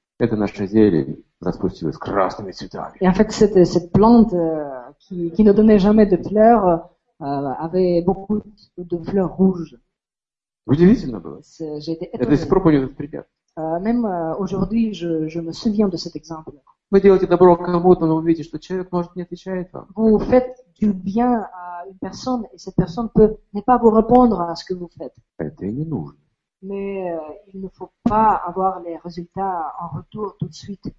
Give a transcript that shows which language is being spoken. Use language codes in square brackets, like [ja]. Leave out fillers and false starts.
[ru] Это наша зелень распустилась красными цветами. [fr] Et en fait, cette plante qui ne donnait jamais de fleurs avait beaucoup de fleurs rouges. [ru] Удивительно было. Я до сих пор помню этот пример. [fr] Même aujourd'hui, je me souviens de cet exemple. [ru] Вы делаете добро кому-то, но вы видите, что человек может не отвечает вам. [fr] Vous faites du bien à une personne et cette personne peut ne pas vous répondre à ce que vous faites. [ru] Это и не нужно. [fr] Mais il ne faut pas avoir les résultats en retour tout de suite.